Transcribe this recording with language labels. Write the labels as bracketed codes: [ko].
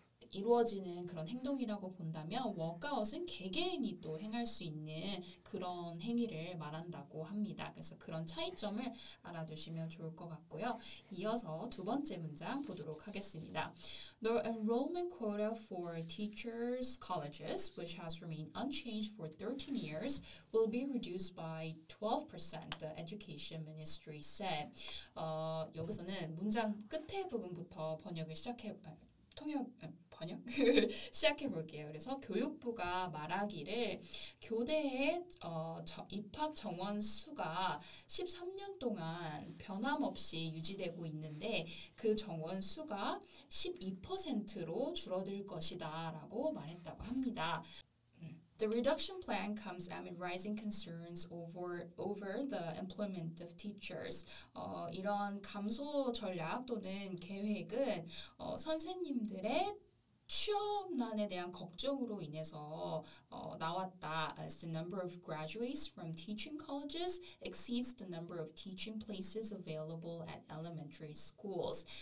[ko] 이루어지는 그런 행동이라고 본다면 워크아웃은 개개인이 또 행할 수 있는 그런 행위를 말한다고 합니다. 그래서 그런 차이점을 알아두시면 좋을 것 같고요. 이어서 두 번째 문장 보도록 하겠습니다. [en] The enrollment quota for teachers' colleges, which has remained unchanged for 13 years, will be reduced by 12%, the Education Ministry said. [ko] 여기서는 문장 끝에 부분부터 번역을 시작해 번역을 시작해 볼게요. 그래서 교육부가 말하기를 교대의 입학 정원 수가 13년 동안 변함없이 유지되고 있는데 그 정원 수가 12%로 줄어들 것이다 라고 말했다고 합니다. [en] The reduction plan comes amid rising concerns over the employment of teachers. [ko] 이런 감소 전략 또는 계획은 선생님들의 취업난에 대한 걱정으로 인해서 나왔다. [en] As the number of graduates from teaching colleges exceeds the number of teaching places available at elementary schools.